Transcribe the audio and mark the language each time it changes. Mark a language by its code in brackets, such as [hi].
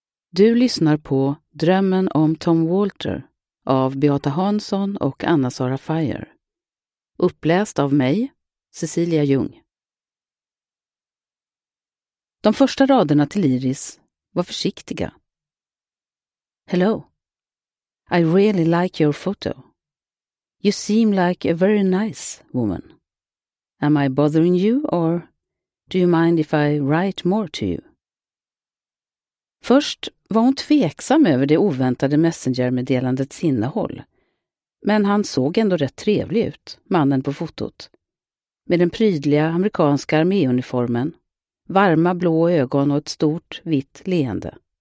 [sv] Du lyssnar på Drömmen om Tom Walter av Beata Hansson och Anna-Sara Fire. Uppläst av mig, Cecilia Jung. De första raderna till Iris var försiktiga. [en] Hello. I really like your photo. You seem like a very nice woman. Am I bothering you or do you mind if I write more to you? [sv] Först var hon tveksam över det oväntade messengermeddelandets innehåll. Men han såg ändå rätt trevlig ut, mannen på fotot. Med den prydliga amerikanska arméuniformen, varma blå ögon och ett stort vitt leende.